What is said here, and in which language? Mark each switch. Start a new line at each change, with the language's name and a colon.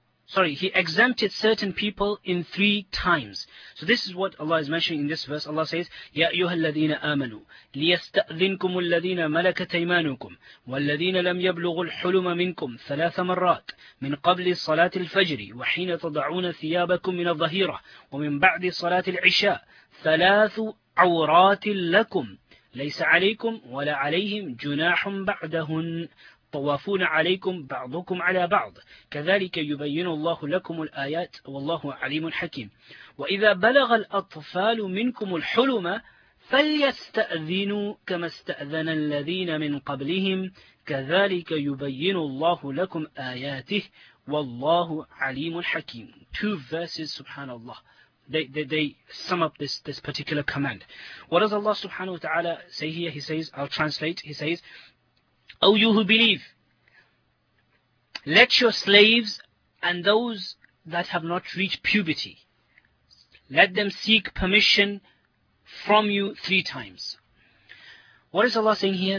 English: Sorry, he exempted certain people in three times. So this is what Allah is mentioning in this verse. Allah says,
Arabic: يَا أَيُّهَا الَّذِينَ آمَنُوا لِيَسْتَأْذِنْكُمُ الَّذِينَ مَلَكَتْ أَيْمَانُكُمْ وَالَّذِينَ لَمْ يَبْلُغُوا الْحُلُمَ مِنْكُمْ ثَلَاثَ مَرَّاتٍ مِنْ قَبْلِ صَلَاةِ الْفَجْرِ وَحِينَ تَضَعُونَ ثِيَابَكُمْ مِنَ الظَّهِيرَةِ وَمِنْ بَعْدِ صَلَاةِ الْعِشَاءِ ثَلَاثُ عَوْرَاتٍ لَكُمْ لَيْسَ عَلَيْكُمْ وَلَا عَلَيْهِمْ جُنَاحٌ بَعْدَهُنَّ طوافون عليكم بعضكم على بعض كذلك يبين الله لكم الآيات والله عليم حكيم وإذا بلغ الأطفال منكم الحلم فليستأذنوا كما استأذن الذين من قبلهم كذلك يبين الله لكم آياته والله عليم حكيم.
English: Two verses, subhanAllah, they sum up this particular command. What does Allah subhanahu wa ta'ala say here? He says, I'll translate, he says, O you who believe, let your slaves and those that have not reached puberty, let them seek permission from you three times. What is Allah saying here?